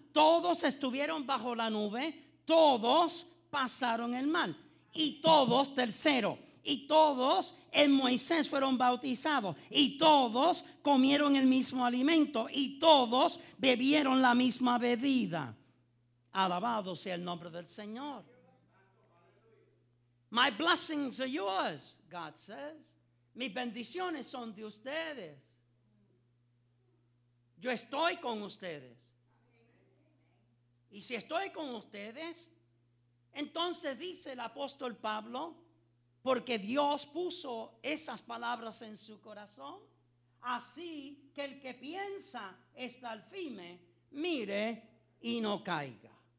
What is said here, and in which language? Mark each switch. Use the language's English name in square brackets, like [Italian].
[Spanish] Todos estuvieron bajo la nube, todos pasaron el mal. Y todos, tercero, y todos en Moisés fueron bautizados, y todos comieron el mismo alimento, y todos bebieron la misma bebida. Alabado sea el nombre del Señor. [English] My blessings are yours, God says. [Spanish] Mis bendiciones son de ustedes. Yo estoy con ustedes. Y si estoy con ustedes, entonces dice el apóstol Pablo, porque Dios puso esas palabras en su corazón, así que el que piensa estar firme, mire y no caiga.